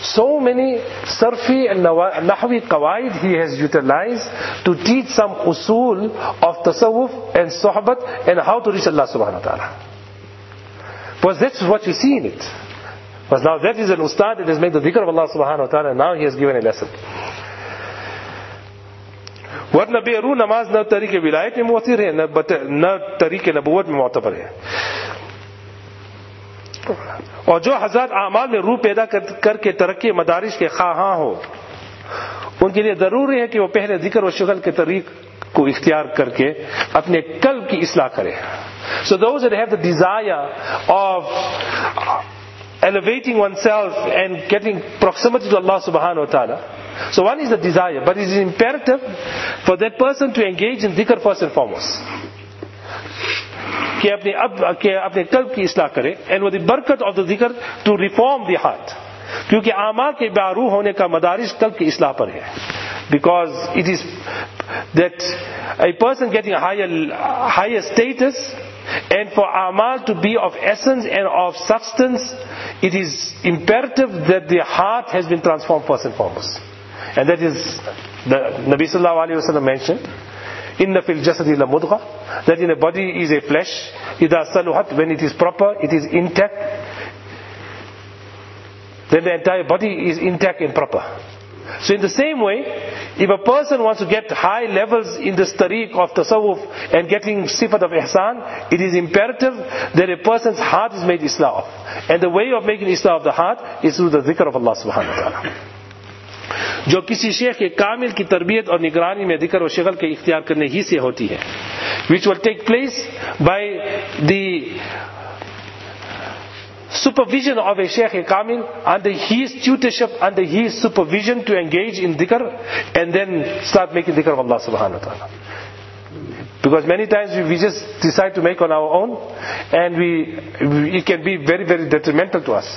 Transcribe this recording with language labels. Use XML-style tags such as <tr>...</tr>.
<en>So many Sarfi and Nahwi Qawaid he has utilized to teach some usul of tasawuf and sohbat and how to reach Allah subhanahu wa ta'ala. Because that's what you see in it. Because now that is an ustad that has made the dhikr of Allah subhanahu wa ta'ala and now he has given a lesson.</en> <ur>ورنہ بے روح نماز نہ طریق ولایت میں موثر ہے نہ طریق نبوت میں معتبر ہے. اور جو حضرات اعمال میں روح پیدا کر کے ترقی مدارش کے خواہاں ہو ان کے لیے ضروری ہے کہ وہ پہلے ذکر و شغل کے طریق کو اختیار کر کے اپنے قلب کی اصلاح کرے.</ur> <en>So those that have the desire of elevating oneself and getting proximity to Allah subhanahu wa ta'ala, so one is the desire, but it is imperative for that person to engage in ذکر first and foremost.</en> <ur>کہ اپنے قلب کی اصلاح کرے</ur> <en>and with the برکت of the ذکر to reform the heart.</en> <ur>کیونکہ اعمال کے بیاروح ہونے کا مدارش قلب کی اصلاح پر ہے.</ur> <en>Because it is that a person getting a higher status and for اعمال to be of essence and of substance, it is imperative that the heart has been transformed first and foremost. And that is the Nabi sallallahu alayhi wa sallam mentioned</en> <ar>إِنَّ فِي الْجَسَدِ لَمُدْغَى,</ar> <en>that in a body is a flesh.</en> <ar>إِذَا صَلُحَتْ,</ar> <en>when it is proper, it is intact, then the entire body is intact and proper. So in the same way, if a person wants to get high levels in this tariq of tasawuf and getting sifat of ihsan, it is imperative that a person's heart is made islah of. And the way of making islah of the heart is through the dhikr of Allah subhanahu wa ta'ala.</en> <ur>جو کسی شیخ کے کامل کی تربیت اور نگرانی میں ذکر و شغل کے اختیار کرنے ہی سے ہوتی ہے.</ur> <en>which will take place by the supervision of a Shaykh Kamil, under his tutorship, under his supervision, to engage in dhikr and then start making dhikr of Allah subhanahu wa ta'ala. Because many times we just decide to make on our own, and it can be very, very detrimental to us.</en>